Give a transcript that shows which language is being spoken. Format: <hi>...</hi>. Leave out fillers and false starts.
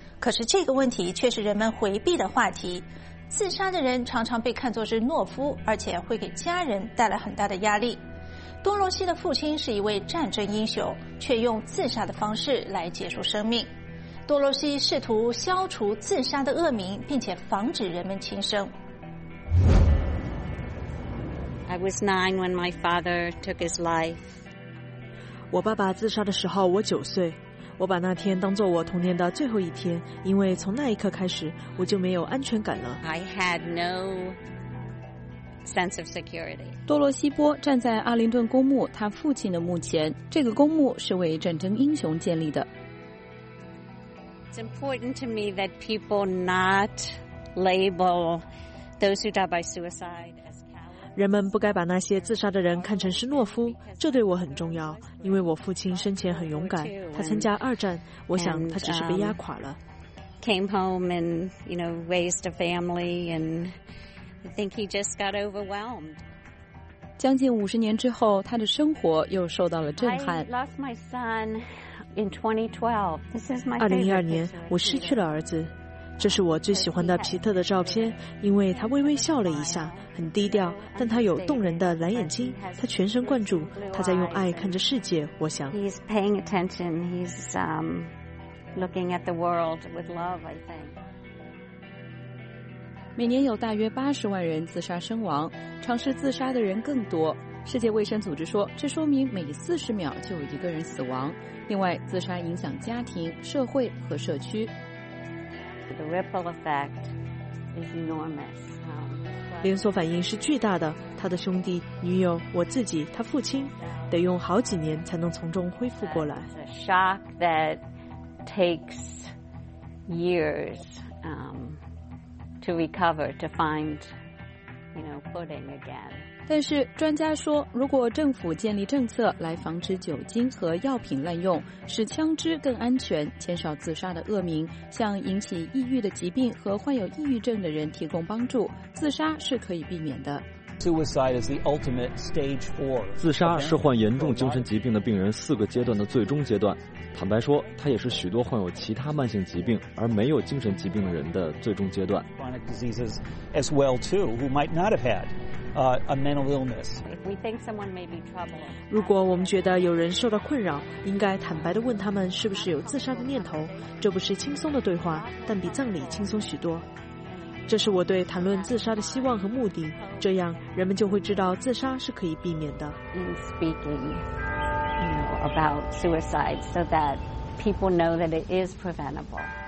<zh>可是这个问题却是人们回避的话题。自杀的人常常被看作是懦夫，而且会给家人带来很大的压力。多罗西的父亲是一位战争英雄，却用自杀的方式来结束生命。多罗西试图消除自杀的恶名，并且防止人们轻生。</zh> <en>I was 9 when my father took his life.</en> <zh>我爸爸自杀的时候我9岁，我把那天当作我童年的最后一天，因为从那一刻开始我就没有安全感了。</zh> <en>I had no sense of security.</en> <zh>多罗西波站在阿灵顿公墓他父亲的墓前，这个公墓是为战争英雄建立的。</zh> <en>It's important to me that people not label those who die by suicide.</en> <zh>人们不该把那些自杀的人看成是懦夫，这对我很重要，因为我父亲生前很勇敢，他参加二战，我想他只是被压垮了。</zh> <en>Came home and, you know, raised a family and I think he just got overwhelmed.</en> <zh>将近50年之后，他的生活又受到了震撼。</zh> <en>I lost my son in 2012. This is my</en> <zh>2012年，我失去了儿子。这是我最喜欢的皮特的照片，因为他微微笑了一下，很低调，但他有动人的蓝眼睛，他全神贯注，他在用爱看着世界。我想</zh> <en>，He's paying attention. He's looking at the world with love. I think.</en> <zh>每年有大约80万人自杀身亡，尝试自杀的人更多。世界卫生组织说，这说明每40秒就有一个人死亡。另外，自杀影响家庭、社会和社区。</zh> <en>The ripple effect is enormous.</en> <zh>连锁反应是巨大的，他的兄弟、女友、我自己、他父亲，得用好几年才能从中恢复过来。</zh> <en>It's a shock that takes years, to recover, to find, you know, footing again.</en> <zh>但是专家说，如果政府建立政策来防止酒精和药品滥用，使枪支更安全，减少自杀的恶名，向引起抑郁的疾病和患有抑郁症的人提供帮助，自杀是可以避免的。</zh> <en>Suicide is the ultimate stage four.</en> <zh>自杀是患严重精神疾病的病人4个阶段的最终阶段。坦白说，它也是许多患有其他慢性疾病而没有精神疾病的人的最终阶段。</zh> <en>Chronic diseases as well too, who might not have had a mental illness. If we think someone may be troubled,</en> <zh>如果我们觉得有人受到困扰，应该坦白地问他们是不是有自杀的念头。这不是轻松的对话，但比葬礼轻松许多。这是我对谈论自杀的希望和目的，这样人们就会知道自杀是可以避免的。</zh> <en>In speaking, you know, about suicide, so that people know that it is preventable.</en>